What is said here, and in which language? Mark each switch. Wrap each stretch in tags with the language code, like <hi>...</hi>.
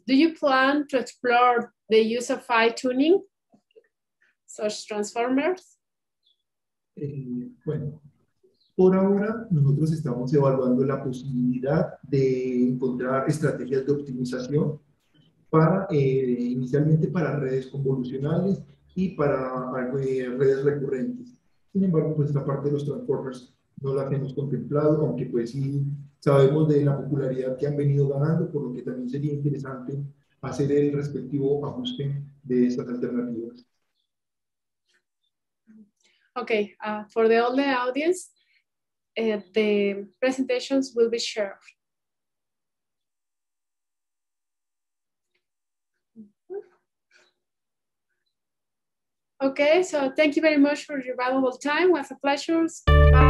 <en>Do you plan to explore the use of fine tuning, such transformers?</en> <es>Bueno, por ahora nosotros estamos evaluando la posibilidad de encontrar estrategias de optimización para inicialmente para redes convolucionales y para redes recurrentes. Sin embargo, pues la parte de los transformers no la hemos contemplado, aunque pues sí sabemos de la popularidad que han venido ganando, por lo que también sería interesante hacer el respectivo ajuste de estas alternativas.</es> <en>Okay, for the older audience, the presentations will be shared. Okay, so thank you very much for your valuable time. It was a pleasure.</en>